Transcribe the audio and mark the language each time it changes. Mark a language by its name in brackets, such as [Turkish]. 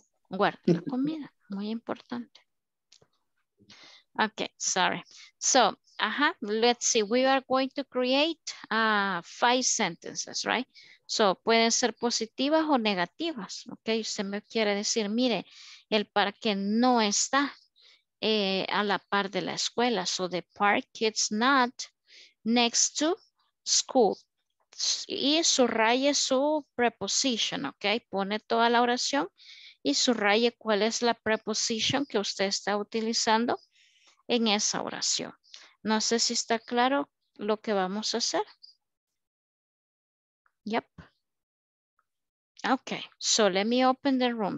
[Spanish] Guarda la comida. Muy importante. [English] Ok, sorry. So, [Spanish] ajá, [English] let's see. We are going to create 5 sentences, right? [Spanish] So, pueden ser positivas o negativas, ¿ok? Usted me quiere decir, mire, el parque no está a la par de la escuela. [English] So, the park is not next to school. [Spanish] Y subraye su preposition, ¿ok? Pone toda la oración y subraye cuál es la preposition que usted está utilizando en esa oración. No sé si está claro lo que vamos a hacer. [English] Yep. Okay, so let me open the room.